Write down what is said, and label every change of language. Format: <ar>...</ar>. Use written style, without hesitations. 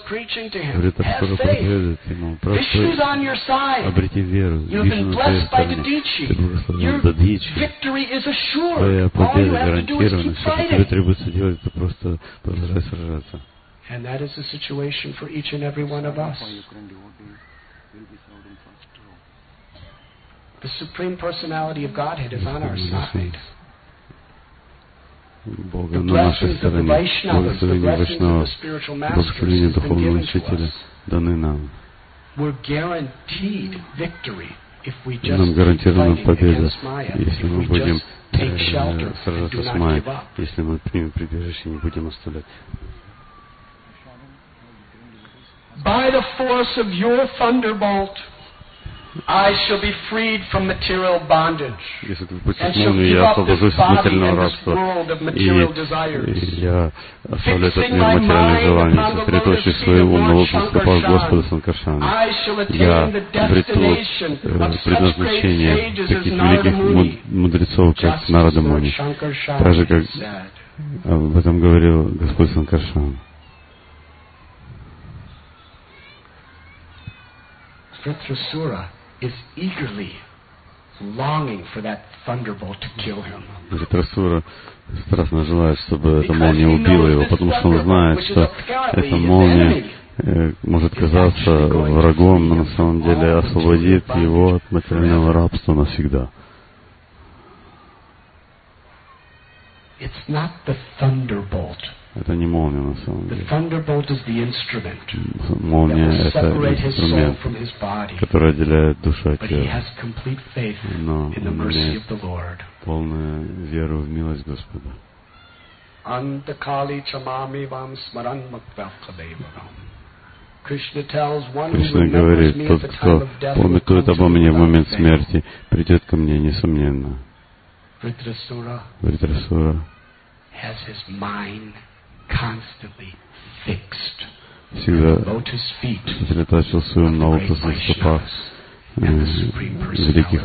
<ru>проповедует ему, просто обрети веру. Вишну на твоей стороне. Ты благословен Дадьичи. Твоя победа гарантирована. Все, что тебе требуется делать, это просто продолжай сражаться.</ru> <en>And that is the situation for each and every one of us. The Supreme Personality of Godhead is on our side.</en> <ru>Бога на нашей стороне. Благословение Вайшнава, благословение Духовного Учителя даны нам. Нам гарантирована победа, если мы будем сражаться с Майей, если мы примем прибежище и не будем оставлять.</ru> <en>By the force of your thunderbolt, I shall be freed from material bondage.</en> <ru>Если ты будешь молнией, я освобожусь от материального рабства. И я оставлю этот мир материальных желаний, сосредоточусь своим умом на лотосных стопах Господа Санкаршаны. Я обрету предназначение таких великих мудрецов, как Нарада Муни. Так же, как об этом говорил Господь Санкаршан.</ru> <en>Vritrasura is eagerly longing for that thunderbolt to kill him.</en> <ru>Vritrasura страстно желает, чтобы эта молния убила его, потому что он знает, что эта молния может казаться врагом, но на самом деле освободит его от материального рабства навсегда.</ru> <en>It's not the thunderbolt.</en> <ru>Это не молния на самом деле.</ru> <en>The thunderbolt is the instrument.</en> <ru>Молния — это инструмент, который отделяет душу от тела.</ru> <en>But he has complete faith in the mercy of the Lord.</en> <ru>Но у меня полная вера в милость Господа. Антакали чамами вам смаран макбалкадеваном. Кришна говорит, тот, кто помнит, кто это обо мне в момент смерти, придет ко мне, несомненно.</ru> <en>Vritrasura has his mind constantly fixed on the lotus feet of the great Vaishnavas and the Supreme</en>